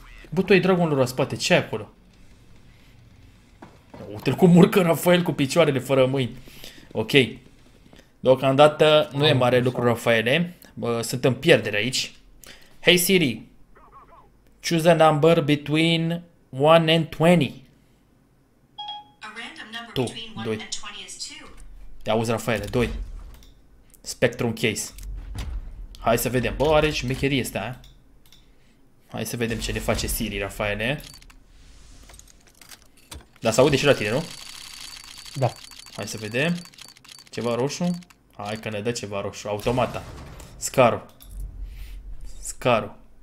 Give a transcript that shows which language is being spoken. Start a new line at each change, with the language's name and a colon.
Romanian: Bă, tu ai dragul lor la spate, ce ai acolo? Uite-l cum urcă Rafael cu picioarele fără mâini. Ok. Deocamdată nu e mare lucru, Rafaele. Sunt în pierdere aici.
English: Hey Siri, choose a number between 1 and 20. A random number between 1 and 20 is 2.
Romanian: Te auzi, Rafaele, 2. Spectrum case. Hai să vedem. Bă, are și mecherie asta, a? Hai să vedem ce ne face Siri, Rafaele. Da, s-aude și la tine, nu? Da. Hai să vedem. Ceva roșu? Hai că ne dă ceva roșu. Automata. Scarul. Scarul.